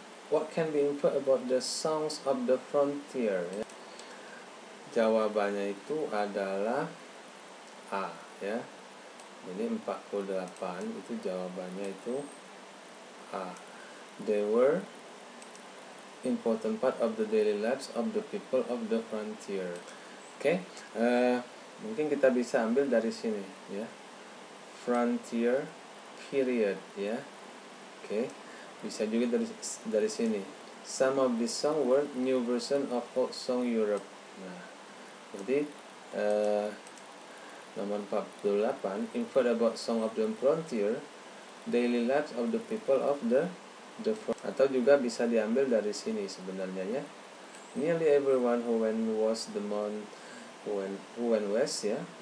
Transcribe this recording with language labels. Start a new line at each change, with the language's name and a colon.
English: What can be inferred about the songs of the frontier?
Indonesian: Ya. Jawabannya itu adalah A ya. Jadi 48 itu jawabannya itu A.
English: They were important part of the daily lives of the people of the frontier. Oke, okay.
Indonesian: Mungkin kita bisa ambil dari sini ya.
English: Frontier period ya. Yeah. Oke. Okay.
Indonesian: Bisa juga dari sini.
English: Some of the song were new version of folk song Europe. Nah.
Indonesian: Jadi nomor 48
English: infer about song of the frontier, daily lives of the people of the frontier.
Indonesian: Atau juga bisa diambil dari sini sebenarnya ya.
English: Nearly everyone who went was the moon who went west ya. Yeah.